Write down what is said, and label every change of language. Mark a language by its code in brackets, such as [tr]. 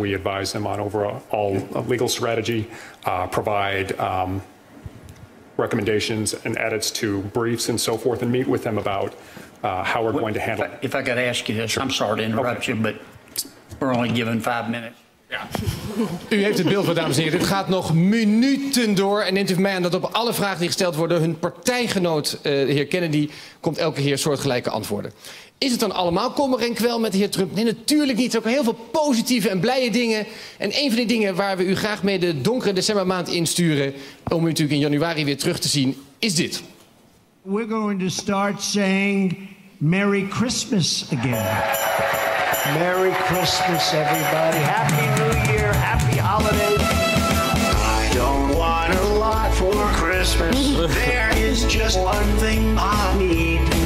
[en] We advise them on overall legal strategy, provide recommendations and edits to briefs and so forth, and meet with them about how we're going to handle it. If I could ask you this, sure. I'm sorry to interrupt you, but we're only given 5 minutes. [nl] Ja. U heeft het beeld, dames en heren. Dit gaat nog minuten door. En neemt u mij aan dat op alle vragen die gesteld worden, hun partijgenoot, de heer Kennedy, komt elke keer soortgelijke antwoorden. Is het dan allemaal kommer en kwel met de heer Trump? Nee, natuurlijk niet. Er zijn ook heel veel positieve en blije dingen. En een van die dingen waar we u graag mee de donkere decembermaand insturen, om u natuurlijk in januari weer terug te zien, is dit. [en] We're going to start saying Merry Christmas again. Merry Christmas, everybody. Happy New Year. Happy Holidays. I don't want a lot for Christmas. There is just one thing I need.